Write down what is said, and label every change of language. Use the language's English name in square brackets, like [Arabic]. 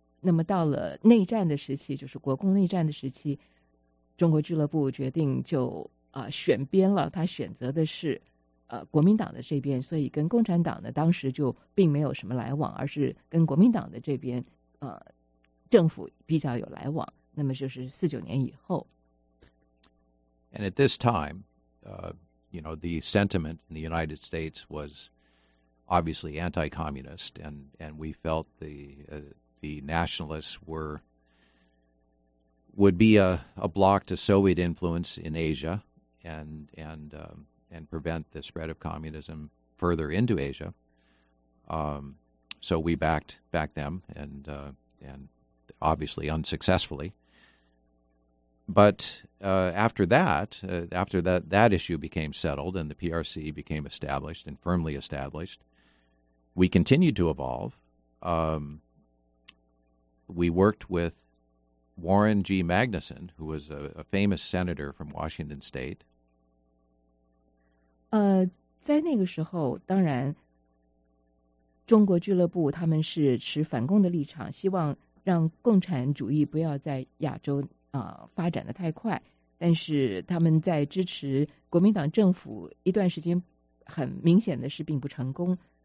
[Chinese] 那么到了内战的时期，就是国共内战的时期，中国俱乐部决定就选边了，他选择的是国民党的这边，所以跟共产党呢当时就并没有什么来往，而是跟国民党的这边政府比较有来往。那么就是49年以后。 [English] And at this time, you know, the sentiment in the United States was obviously anti-communist, and we felt the nationalists would be a block to Soviet influence in Asia, and prevent the spread of communism further into Asia. So we backed them, and obviously unsuccessfully. But after that issue became settled and the PRC became established and firmly established, we continued to evolve. We worked with Warren G. Magnuson, who was a famous senator from Washington State. [Chinese] 在那个时候，当然，中国俱乐部他们是持反共的立场，希望让共产主义不要在亚洲发展的太快。但是他们在支持国民党政府一段时间，很明显的是并不成功。